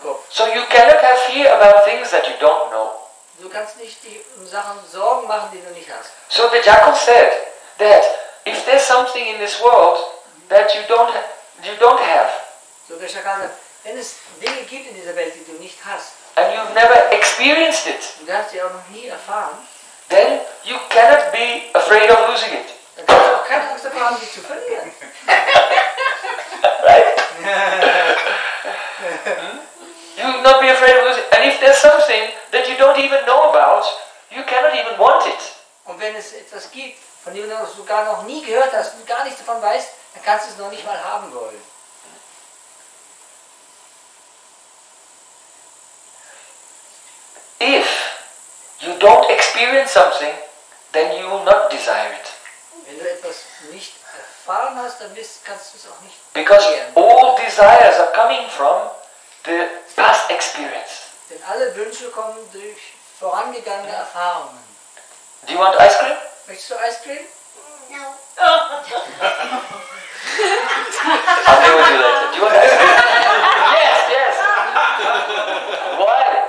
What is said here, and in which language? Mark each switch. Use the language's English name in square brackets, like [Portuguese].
[English] So you cannot have fear about things that you don't know. [German] Du kannst nicht die Sachen Sorgen machen, die du nicht hast. [English] So the jackal said that if there's something in this world that you don't have. [German] So der Schakal sagt, wenn es Dinge gibt in dieser Welt, die du nicht hast. [English] And you've never experienced it. [German] Du hast sie auch noch nie erfahren. [English] then you cannot be afraid of losing it. Right? You will not be afraid of losing it. And if there's something that you don't even know about, you cannot even want it. [German] Und wenn es etwas gibt, von dem du sogar noch nie gehört hast, du gar nichts davon weißt, dann kannst du es noch nicht mal haben wollen. [English] If you don't experience something, then you will not desire it. [German] Wenn du etwas nicht erfahren hast, dann kannst du es auch nicht begehren. [English] Because all desires are coming from the past experience. [German] Denn alle Wünsche kommen durch vorangegangene Erfahrungen. [English] Do you want ice cream? [German] Möchtest du ice cream? [English] No. I'll do it later. Do you want ice cream? Yes, yes. Why?